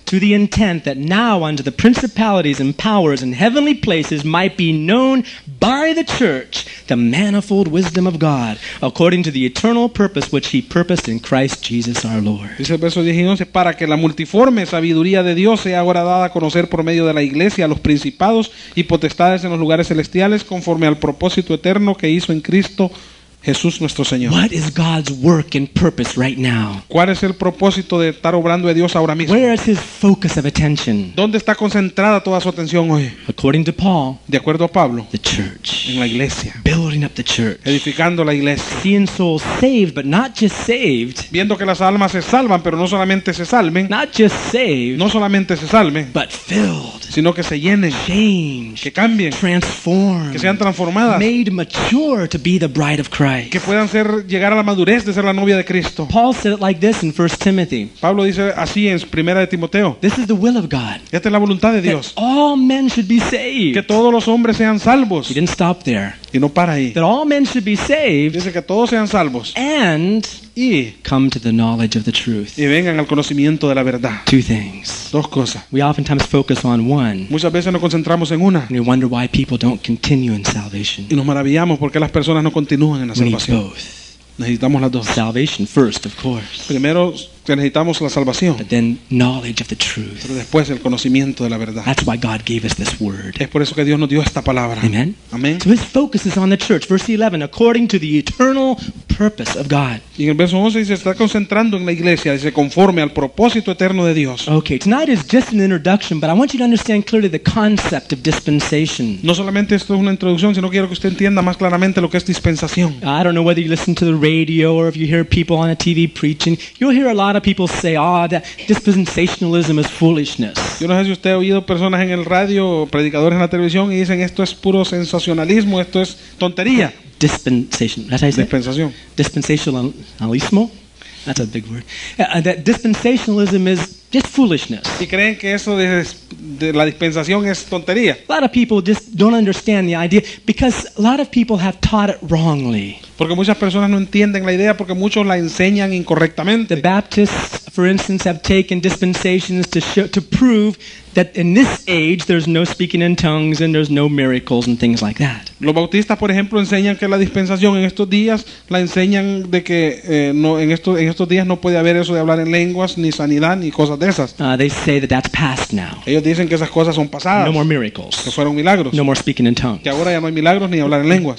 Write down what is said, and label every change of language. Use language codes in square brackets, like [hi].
[en] To the intent that now unto the principalities and powers and heavenly places might be known by the church the manifold wisdom of God, according to the eternal purpose which he purposed in Christ Jesus our Lord. [es] Dice el verso 19, para que la multiforme sabiduría de Dios sea ahora dada a conocer por medio de la iglesia a los principados y potestades en los lugares celestiales, conforme al propósito eterno que hizo en Cristo Jesús nuestro Señor. [en] What is God's work and purpose right now? [es] ¿Cuál es el propósito de estar obrando de Dios ahora mismo? [en] Where is his focus of attention? [es] ¿Dónde está concentrada toda su atención hoy? [en] According to Paul, [es] de acuerdo a Pablo, [en] the church, [es] en la iglesia, [en] building up the church, [es] edificando la iglesia, [en] seeing souls saved but not just saved, [es] viendo que las almas se salvan pero no solamente se salven, [en] not just saved, [es] no solamente se salven, [en] but filled, [es] sino que se llenen, [en] changed, [es] que cambien, [en] transformed, [es] que sean transformadas, [en] made mature to be the bride of Christ. [es] Que puedan ser, llegar a la madurez de ser la novia de Cristo. [en] Paul said it like this in 1 Timothy. [es] Pablo dice así en Primera de Timoteo. [en] This is the will of God. [es] Esta es la voluntad de Dios. [en] That all men should be saved. [es] Que todos los hombres sean salvos. [en] He didn't stop there. [es] Y no para ahí. [en] That all men should be saved. [es] Dice que todos sean salvos. [en] And [es] y [en] come to the knowledge of the truth. [es] Y vengan al conocimiento de la verdad. [en] Two things. [es] Dos cosas. [en] We oftentimes focus on one. [es] Muchas veces nos concentramos en una. [en] And we wonder why people don't continue in salvation. [es] Y nos maravillamos por qué las personas no continúan en la salvación. [en] We need both. [es] Necesitamos las dos. [en] Salvation first, of course. [es] Primero necesitamos la salvación. [en] But then knowledge of the truth. [es] Pero después el conocimiento de la verdad. [en] That's why God gave us this word. [es] Es por eso que Dios nos dio esta palabra. [en] Amen. [es] Amen. [en] So his focus is on the church, verse 11, according to the eternal purpose of God. [es] Y en el verso 11 dice, está concentrando en la iglesia, dice, conforme al propósito eterno de Dios. [en] Okay, tonight is just an introduction, but I want you to understand clearly the concept of dispensation. [es] No solamente esto es una introducción, sino quiero que usted entienda más claramente lo que es dispensación. [en] I don't know whether you listen to the radio or if you hear people on a TV preaching. You'll hear a lot of people say, "Ah, that dispensationalism is foolishness." [es] Yo no sé si usted ha oído personas en el radio, predicadores en la televisión, y dicen esto es puro sensacionalismo, esto es tontería. [en] Dispensation. That's how you say it. [es] Dispensación. [en] Dispensationalismo. That's a big word. That dispensationalism is just foolishness. [es] ¿Y creen que eso de la dispensación es tontería? [en] A lot of people just don't understand the idea because a lot of people have taught it wrongly. [es] Porque muchas personas no entienden la idea porque muchos la enseñan incorrectamente. [en] The Baptists, for instance, have taken dispensations to prove that in this age there's no speaking in tongues and there's no miracles and things like that. [es] Los bautistas, por ejemplo, enseñan que la dispensación en estos días la enseñan de que no en estos días no puede haber eso de hablar en lenguas ni sanidad ni cosas de esas. [en] They say that that's past now. [es] Ellos dicen que esas cosas son pasadas. [en] No more miracles. [es] Que fueron milagros. [en] No more speaking in tongues. [es] Que ahora ya no hay milagros ni hablar en lenguas.